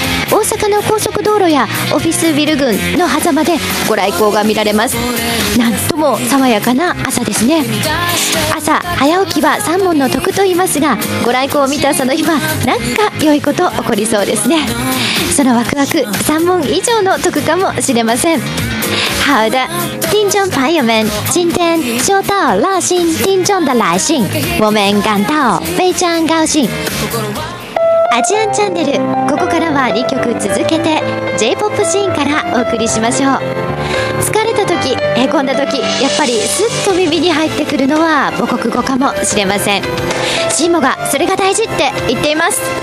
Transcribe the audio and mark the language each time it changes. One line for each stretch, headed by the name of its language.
Japanese: 大阪の高速道路やオフィスビル群の狭間でご来光が見られます。なんとも爽やかな朝ですね。朝早起きは三文の徳と言いますが、ご来光を見た朝の日はなんか良いこと起こりそうですね。そのワクワク三文以上の徳かもしれません。
Chinese: 好的，听众朋友们，今天收到热心听众的来信，我们感到非常高兴。
Japanese: アジアンチャンネル、ここからは2曲続けて J-POP シーンからお送りしましょう。疲れた時、へこんだ時、やっぱりスッと耳に入ってくるのは母国語かもしれません。シーモがそれが大事って言っています。